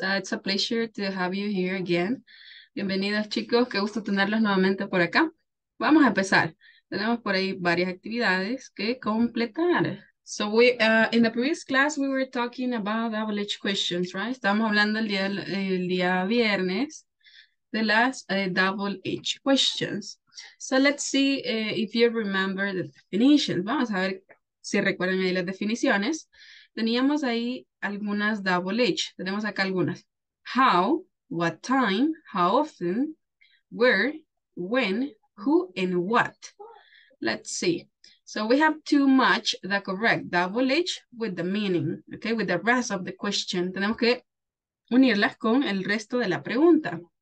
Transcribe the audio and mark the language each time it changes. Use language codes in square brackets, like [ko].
[en] It's a pleasure to have you here again. [es] Bienvenidos chicos, qué gusto tenerlos nuevamente por acá. Vamos a empezar. Tenemos por ahí varias actividades que completar. [en] So we in the previous class we were talking about WH questions, right? [es] Estamos hablando el día viernes de las WH questions. [en] So let's see if you remember the definitions. [es] Vamos a ver si recuerdan ahí las definiciones. Teníamos ahí algunas double H. Tenemos acá algunas. [en] How, what time, how often, where, when, who, and what. Let's see. So we have to match the correct double H with the meaning, okay, with the rest of the question. [es] Tenemos que unirlas con el resto de la pregunta.